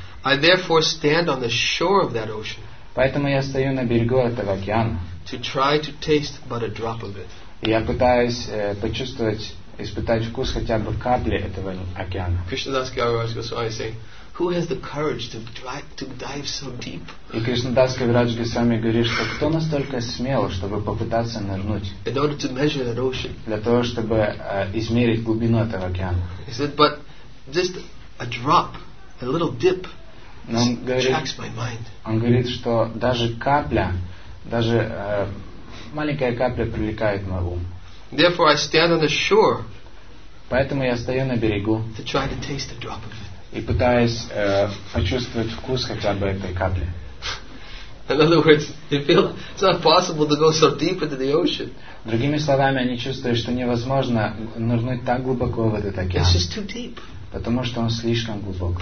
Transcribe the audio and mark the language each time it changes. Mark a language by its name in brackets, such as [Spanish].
[English] I therefore stand on the shore of that ocean. [Russian] Поэтому я стою на берегу этого океана. [English] To try to taste but a drop of it. [Russian] Я пытаюсь почувствовать, испытать вкус хотя бы капли этого океана. [English] Кришнадас Кавирадж Госвами saying, who has the courage to dive so deep? [Russian] И Кришнадас Кавирадж Госвами говорит, что кто настолько смел, чтобы попытаться нырнуть? [English] In order to measure that ocean. [Russian] Для того, чтобы измерить глубину этого океана. [English] He said, but just a drop, a little dip, attracts my mind. [Russian] Он говорит, что даже капля, даже маленькая капля привлекает мой ум. [English] Therefore I stand on the shore. [Russian] Поэтому я стою на берегу. [English] To try to taste a drop of it. [Russian] И пытаюсь почувствовать вкус хотя бы этой капли. [English] In other words, you feel it's not possible to go so deep into the ocean. [Russian] Другими словами, они чувствуют, что невозможно нырнуть так глубоко в этот океан. [English] It's just too deep. [Russian] Потому что он слишком глубок.